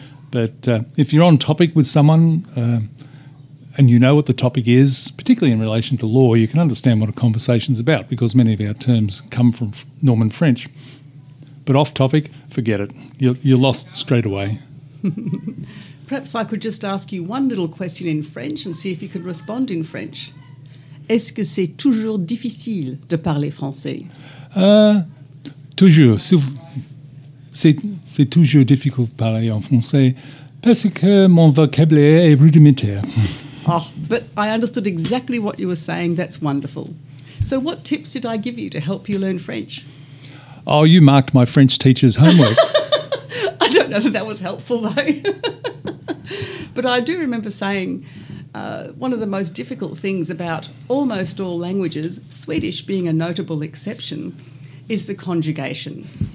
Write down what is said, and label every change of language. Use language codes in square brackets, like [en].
[en] But if you're on topic with someone and you know what the topic is, particularly in relation to law, you can understand what a conversation's about because many of our terms come from Norman French. But off topic, forget it. You're lost straight away. Perhaps I could just ask you one little question in French and see if you could respond in French. [fr] Est-ce que c'est toujours difficile de parler français? Toujours. C'est toujours difficile de parler en français parce que mon vocabulaire est rudimentaire. [en] Oh, but I understood exactly what you were saying. That's wonderful. So what tips did I give you to help you learn French? Oh, you marked my French teacher's homework. I don't know that was helpful, though. But I do remember saying one of the most difficult things about almost all languages, Swedish being a notable exception, is the conjugation.